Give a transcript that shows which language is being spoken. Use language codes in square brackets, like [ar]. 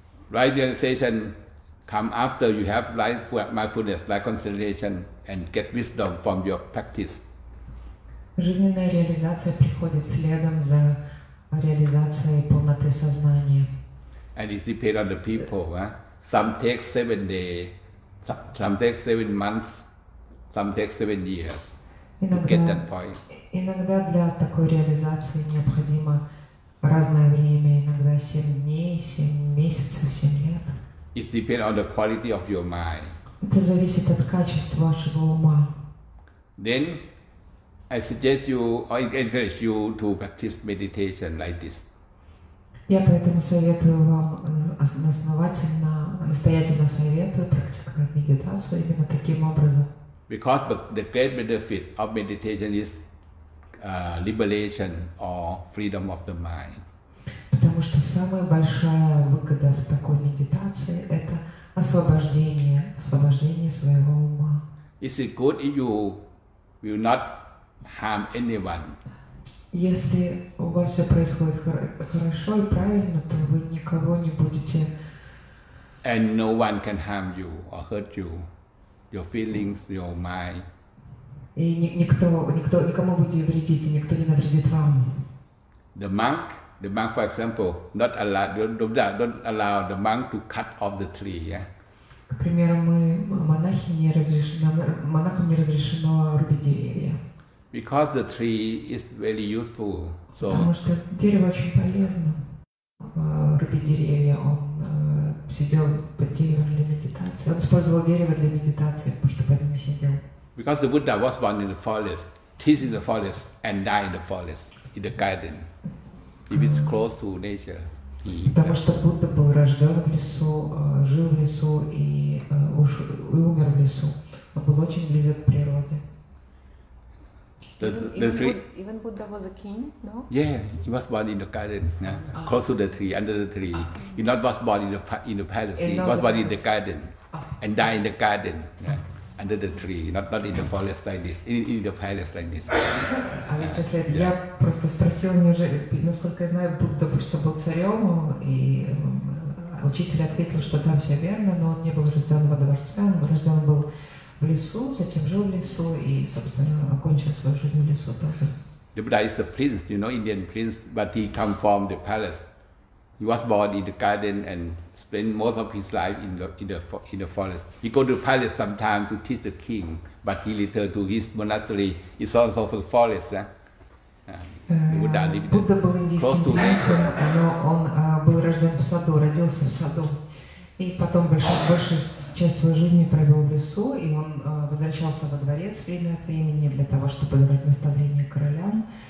[en] Light realization come after you have light mindfulness, light concentration, and get wisdom from your practice. [ru] Жизненная реализация приходит следом за реализацией полноты сознания. [en] And it depends on the people. Some take 7 days, some take 7 months, some take 7 years [ru] иногда, [en] to get that point. [ru] Иногда для такой реализации необходимо разное время, иногда 7 дней, 7 месяцев, 7 лет. [en] It depends on the quality of your mind. [ru] Это зависит от качества вашего ума. [en] Then I suggest you, or encourage you to practice meditation like this. [ru] Я поэтому советую вам основательно, настоятельно советую практиковать медитацию именно таким образом. [en] Because the great benefit of meditation is liberation or freedom of the mind. [ru] Потому что самая большая выгода в такой медитации – это освобождение, освобождение своего ума. [en] Is it good if you will not harm anyone? [ru] Если у вас все происходит хорошо и правильно, то вы никого не будете. [en] And no one can harm you or hurt you, your feelings, your mind. [ru] И никому будет вредить, и никто не навредит вам. [en] The monk, for example, don't allow the monk to cut off the tree. Yeah? [ru] К примеру, монахам не разрешено рубить деревья. [en] Because the tree is very useful. So, [ru] потому что дерево очень полезно. Рубить деревья, он сидел под деревом для медитации. Он использовал дерево для медитации, потому что под ним сидел. [en] Because the Buddha was born in the forest, trees in the forest, and died in the forest, in the garden. If it's close to nature. [ru] Потому что Будда был рожден в лесу, жил в лесу и умер в лесу. Он был очень близок к природе. [en] Even Buddha was a king, no? Yeah, he was born in the garden, close to the tree, under the tree. He not was born in the palace. He was born in the garden, and died in the garden, under the tree, not in the forest like this, in the palace like this. [ru] Я просто спросил, неужели, насколько я знаю, Будда просто был царем, и учитель ответил, что там все верно, но он не был рожден во дворце, он рожден был в лесу, затем жил в лесу и, собственно, окончил свою жизнь в лесу тоже. [en] The Buddha is a prince, you know, Indian prince, but he come from the palace. He was born in the garden and spent most of his life in the forest. He go to the palace sometimes to teach the king, but he returned to his monastery. It's also the forest. [ru] Будда был индийским принцем, но он был рожден в саду, родился в саду. И потом большую часть своей жизни провел в лесу, и он возвращался во дворец время от времени для того, чтобы давать наставления королям.